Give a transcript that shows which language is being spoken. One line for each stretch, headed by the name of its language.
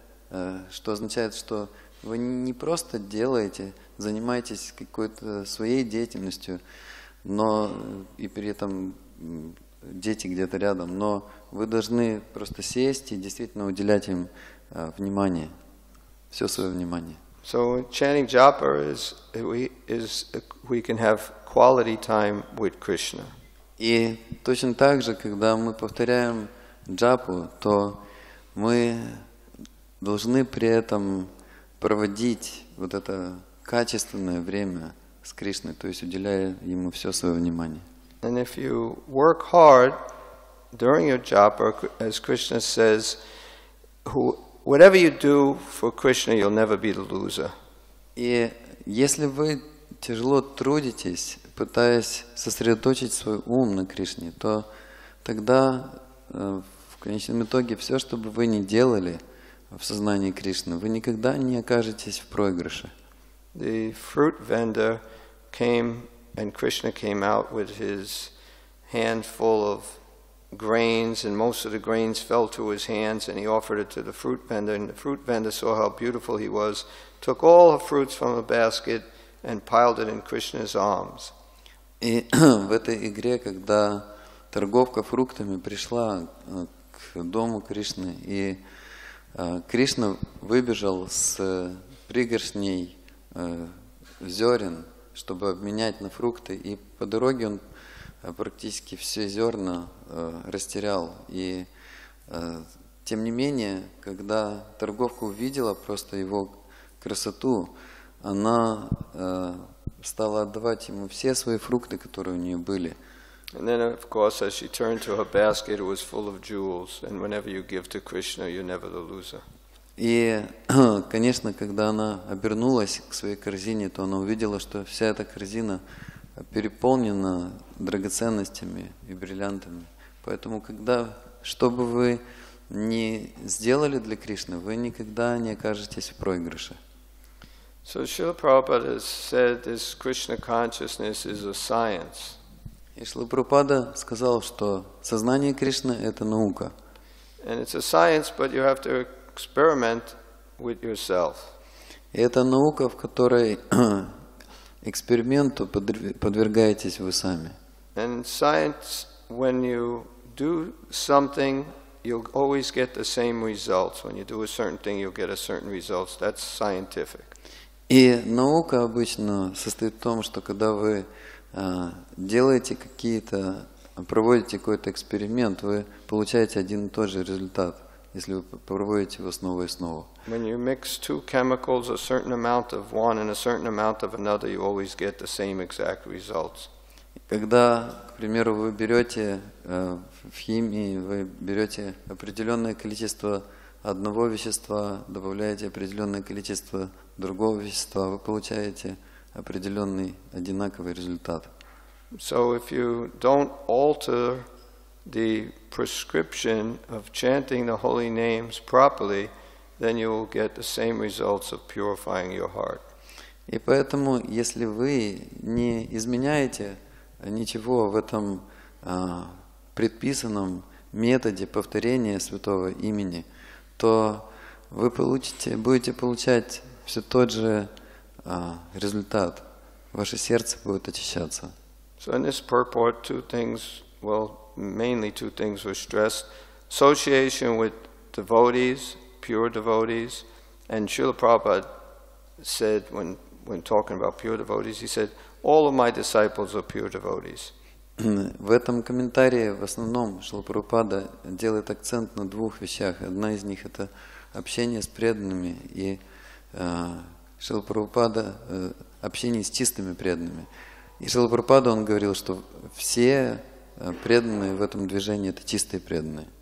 Russian: Означает, что вы не просто делаете, занимаетесь какой-то своей деятельностью, но и при этом дети где-то рядом, но вы должны просто сесть и действительно уделять им внимание, все свое внимание.
English: So chanting japa we can have quality time with Krishna.
Russian: И точно так же, когда мы повторяем джапу, то мы должны при этом проводить вот это качественное время с Кришной, то есть уделяя ему все свое внимание.
English: And if you work hard during your japa, as Krishna says, whatever you do for Krishna, you'll never be the loser.
Russian: И если вы тяжело трудитесь, пытаясь сосредоточить свой ум на Кришне, то тогда в конечном итоге все, что бы вы ни делали в сознании Кришны, вы никогда не окажетесь в проигрыше.
English: The fruit vendor came and Krishna came out with his hand full of grains, and most of the grains fell to his hands, and he offered it to the fruit vendor. And the fruit vendor saw how beautiful he was, took all the fruits from the basket, and piled it in Krishna's arms.
Russian: И в этой игре, когда торговка фруктами пришла к дому Кришны, и Кришна выбежал с пригоршней зерен, чтобы обменять на фрукты, и по дороге он практически все зерна растерял. И тем не менее, когда торговка увидела просто его красоту, она стала отдавать ему все свои фрукты, которые у нее были.
English: And then, of course, as she turned to her basket, it was full of jewels. And whenever you give to Krishna, you're never the loser.
Russian: И, конечно, когда она обернулась к своей корзине, то она увидела, что вся эта корзина переполнена драгоценностями и бриллиантами. Поэтому, когда, что бы вы ни сделали для Кришны, вы никогда не окажетесь в проигрыше.
English: So Srila Prabhupada said this Krishna consciousness is a science.
Russian: И Шрила Прабхупада сказал, что сознание Кришны – это наука.
English: And it's a science, but you have to experiment with yourself.
Russian: И это наука, в которой эксперименту подвергаетесь вы сами.
English: And science, when you do something, you'll always get the same results. When you do a certain thing, you'll get a certain results. That's scientific.
Russian: И наука обычно состоит в том, что когда вы делаете какие-то, проводите какой-то эксперимент, вы получаете один и тот же результат, если вы проводите его снова и снова.
English: When you mix two chemicals, a certain amount of one and a certain amount of another, you always get the same exact results.
Russian: Когда, к примеру, вы берете в химии, вы берете определенное количество одного вещества, добавляете определенное количество другого вещества, вы получаете определенный одинаковый результат.
English: So if you don't alter the prescription of chanting the holy names properly, then you will get the same results of purifying your heart.
Russian: И поэтому, если вы не изменяете ничего в этом предписанном методе повторения святого имени, то вы получите, будете получать все тот же результат. Ваше сердце будет очищаться.
English: So in this purport, two things, well, mainly two things were stressed. Association with devotees, pure devotees. And Srila Prabhupada said, when talking about pure devotees, he said, all of my disciples are pure devotees.
Russian: В этом комментарии в основном Шрила Прабхупада делает акцент на двух вещах. Одна из них – это общение с преданными и Шрила Прабхупада общение с чистыми преданными. И Шрила Прабхупада, он говорил, что все преданные в этом движении – это чистые преданные.